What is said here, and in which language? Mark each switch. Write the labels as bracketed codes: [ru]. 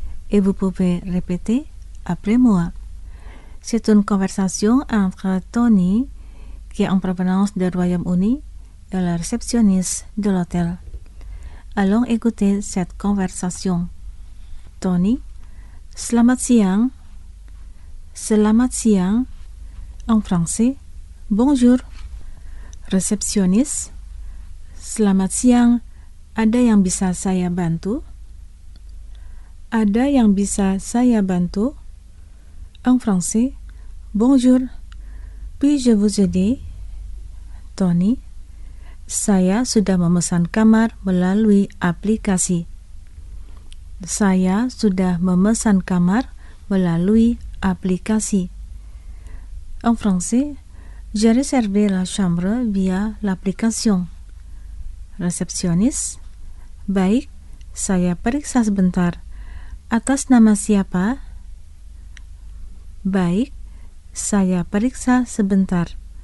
[fr] Et vous pouvez répéter après moi. C'est une conversation entre Tony, qui est en provenance du Royaume-Uni, et la réceptionniste de l'hôtel. Allons écouter cette conversation. Tony, [id] selamat siang. Selamat siang. [fr] En français, bonjour. [id] Réceptionniste, selamat siang. Ada yang bisa saya bantu? Ada yang bisa saya bantu? [fr] En français, bonjour. Puis-je vous aider? [id] Tony, saya sudah memesan kamar melalui aplikasi. Saya sudah memesan kamar melalui aplikasi. [fr] En français, j'ai réservé la chambre via l'application. [id] Réceptionniste, baik, saya periksa sebentar. Atas nama siapa? Baik, saya periksa sebentar.